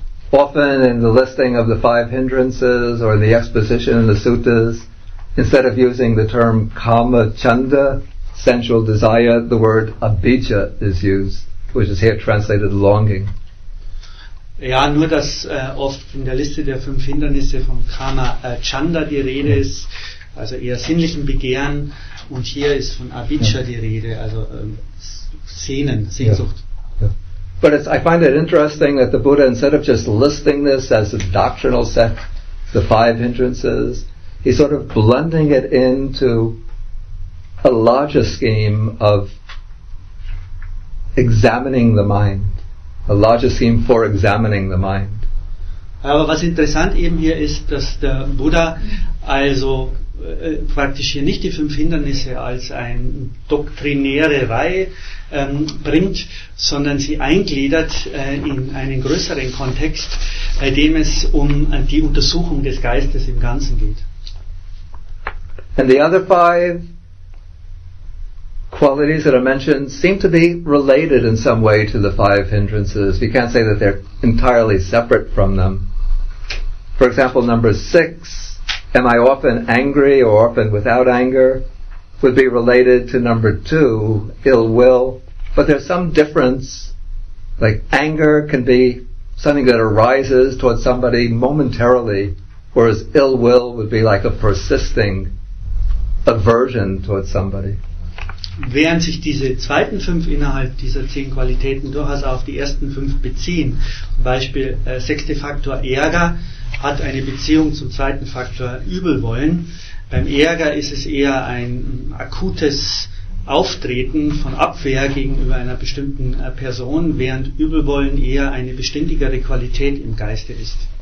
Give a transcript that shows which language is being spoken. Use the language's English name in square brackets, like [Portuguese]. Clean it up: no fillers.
[English] Often in the listing of the 5 hindrances or in the exposition in the suttas, instead of using the term kama chanda, sensual desire, the word abhijja is used, which is here translated longing. [German] Ja, nur dass oft in der Liste der 5 Hindernisse von kama chanda die Rede ist, also eher sinnlichen Begehren, und hier ist von abhijja die Rede, also Sehnen, Sehnsucht. [English] Yeah. But it's, I find it interesting that the Buddha, instead of just listing this as a doctrinal set, the 5 hindrances, he's sort of blending it into a larger scheme of examining the mind, a larger scheme for examining the mind. [German] Aber was interessant eben hier ist, dass der Buddha also praktisch hier nicht die 5 Hindernisse als eine doktrinäre Reihe bringt, sondern sie eingliedert in einen größeren Kontext, bei dem es um die Untersuchung des Geistes im Ganzen geht. [English] And the other 5 qualities that are mentioned seem to be related in some way to the 5 hindrances. We can't say that they're entirely separate from them. For example, number 6, am I often angry or often without anger, would be related to number 2, ill will. But there's some difference, like anger can be something that arises towards somebody momentarily, whereas ill will would be like a persisting aversion towards somebody. [German] Während sich diese zweiten 5 innerhalb dieser 10 Qualitäten durchaus auf die ersten 5 beziehen, Beispiel sechste Faktor Ärger hat eine Beziehung zum zweiten Faktor Übelwollen. Beim Ärger ist es eher ein akutes Auftreten von Abwehr gegenüber einer bestimmten Person, während Übelwollen eher eine beständigere Qualität im Geiste ist.